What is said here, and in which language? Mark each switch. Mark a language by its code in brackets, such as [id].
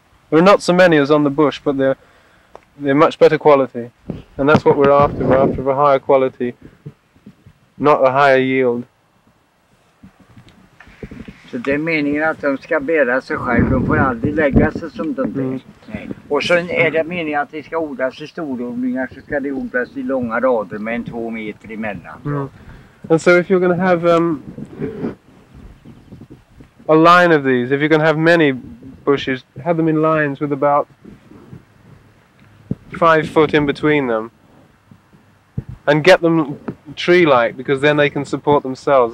[en] There are not so many as on the bush, but they're much better quality. And that's what we're after. We're after a higher quality, not a higher yield. [sv] Så det är meningen att de ska bära sig själv. De får aldrig lägga sig som de blir. Och sen är det meningen att det ska odlas i storodlingar, så ska det odlas i långa rader med en 2 meter emellan. Mm. [en] And so if you're going to have a line of these, if you're going to have many bushes, have them in lines with about 5 foot in between them. And get them tree-like, because then they can support themselves.